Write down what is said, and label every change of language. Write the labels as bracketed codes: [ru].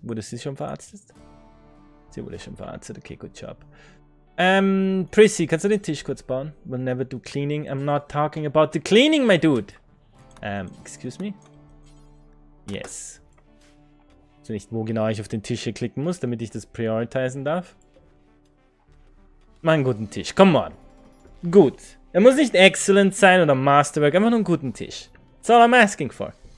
[de] Wurde sie schon verarztet? Sie wurde schon verarztet. [en] Okay, good job. [de] Prissy, kannst du den Tisch kurz bauen? [en] We'll never do cleaning. I'm not talking about the cleaning, my dude. Excuse me? Yes. [de] So nicht, wo genau ich auf den Tisch hier klicken muss, damit ich das prioritisieren darf. Mach einen guten Tisch, [en] come on. [de] Gut. Er muss nicht excellent sein oder Masterwork, einfach nur einen guten Tisch. [en] That's all I'm asking for.